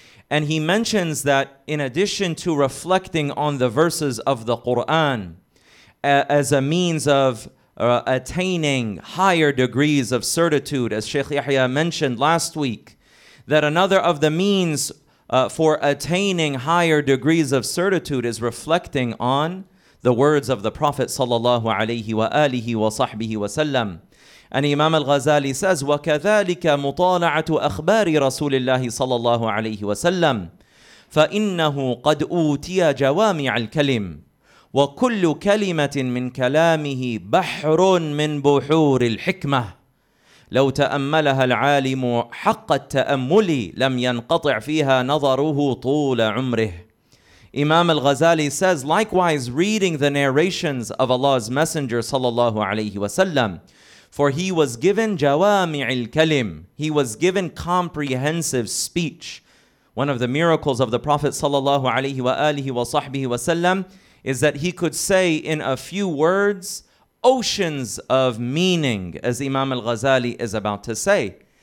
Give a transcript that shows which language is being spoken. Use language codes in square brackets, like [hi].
[en] And he mentions that in addition to reflecting on the verses of the Qur'an as a means of attaining higher degrees of certitude, as Shaykh Yahya mentioned last week, that another of the means for attaining higher degrees of certitude is reflecting on the words of the Prophet sallallahu alayhi wa alihi wa sahbihi wa sallam. And Imam al-Ghazali says, [ar] وَكَذَلِكَ مُطَالَعَةُ أَخْبَارِ رَسُولِ اللَّهِ صَلَى اللَّهُ عَلَيْهِ وَسَلَّمْ فَإِنَّهُ قَدْ أُوْتِيَ جَوَامِعَ الْكَلِمِ وَكُلُّ كَلِمَةٍ مِّنْ كَلَامِهِ بَحْرٌ مِّنْ بُحُورِ الْحِكْمَةِ لَوْ تَأَمَّلَهَا الْعَالِمُ حَقَّ التَّأَمُّلِ لَمْ يَنْقَطِعْ فِيهَا نَظَرُهُ طُولَ عُمْرِهِ. [en] Imam al-Ghazali says, likewise, reading the narrations of Allah's Messenger sallallahu alayhi wa sallam, for he was given jawami'il kalim, he was given comprehensive speech. One of the miracles of the Prophet sallallahu alayhi wa alihi wa sahbihi wa sallam is that he could say in a few words oceans of meaning, as Imam al-Ghazali is about to say.